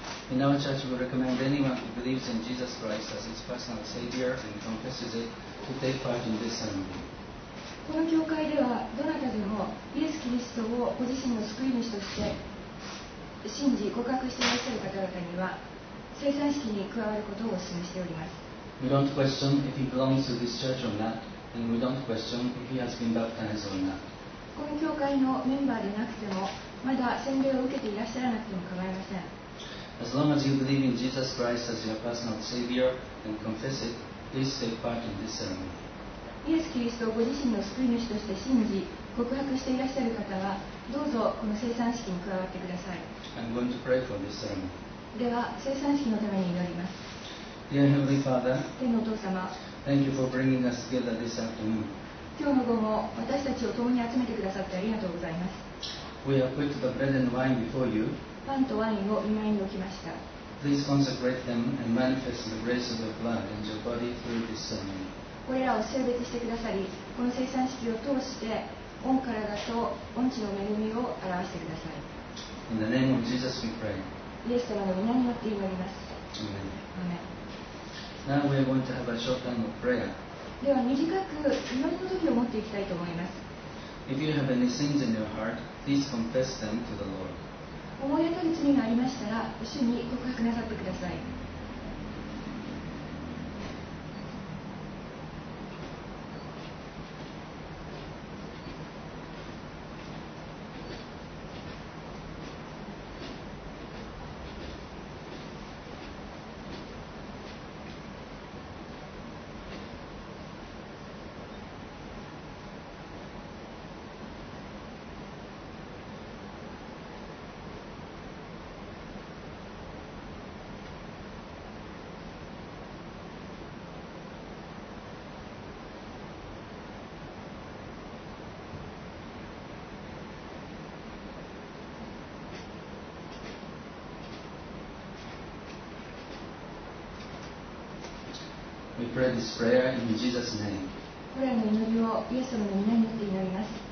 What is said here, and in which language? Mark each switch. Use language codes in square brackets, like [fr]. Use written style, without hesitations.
[en] In our church, we recommend anyone who believes in Jesus Christ as his personal Savior and confesses it to take part in this ceremony. [ja] この教会ではどなたでもイエス・キリストをご自身の救い主として信じ告白していらっしゃる方々には聖餐式に加わることをお勧めしております。 [en] We don't question if he belongs to this church or not, and we don't question if he has been baptized or not. [ja] この教会のメンバーでなくても、まだ洗礼を受けていらっしゃらなくても構いません。 [en] As long as you believe in Jesus Christ as your personal Savior and confess it, please take part in this ceremony. [ja] イエス・キリストをご自身の救い主として信じ、告白していらっしゃる方は、どうぞこの聖餐式に加わってください。 [en] I'm going to pray for this ceremony. [ja] では聖餐式のために祈ります。 [en] Dear Heavenly Father, [ja] 天のお父様、 [en] Thank you for bringing us together this afternoon. [ja] 今日の午後、私たちを共に集めてくださってありがとうございます。 [en] We have put the bread and wine before you. [ja] パンとワインを御前に置きました。 [en] Please consecrate them and manifest the grace of your blood and your body through this ceremony. [ja] これらを聖別してくださり、この聖餐式を通して、御体と御血の恵みを表してください。 [en] In the name of Jesus we pray. [ja] イエス様の皆によって祈ります。 [en] アメン。 Now we are going to have a short time of prayer. [ja] では短く祈りの時を持っていきたいと思います。 [en] If you have any sins in your heart, please confess them to the Lord. [ja] 思い当たる罪がありましたら、主に告白なさってください。 [en] We pray this prayer in Jesus' name. [ja] これの祈りをイエス様の御名によって祈ります。